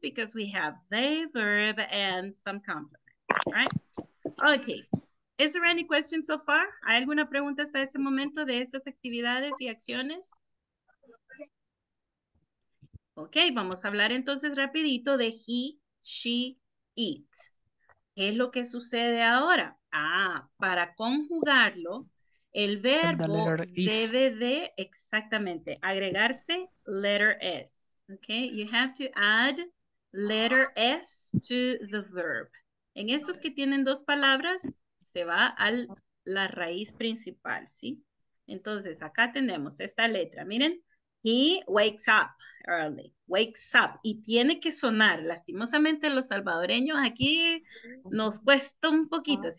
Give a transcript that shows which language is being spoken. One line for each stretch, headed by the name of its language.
English: Because we have they, verb, and some complement, right? Okay. Is there any question so far?
Spanish: ¿Hay alguna pregunta hasta este momento de estas actividades y acciones? Okay, vamos a hablar entonces rapidito de he, she, it. ¿Qué es lo que sucede ahora? Ah, para conjugarlo, el verbo debe de, exactamente, agregarse
English: letter S. Okay, you have to add letter S to the verb.
Spanish: En esos que tienen dos palabras, se va a la raíz principal, ¿sí? Entonces, acá tenemos esta letra, miren.
English: He wakes up early. Wakes up.
Spanish: Y tiene que sonar. Lastimosamente, los salvadoreños aquí nos cuesta un poquito.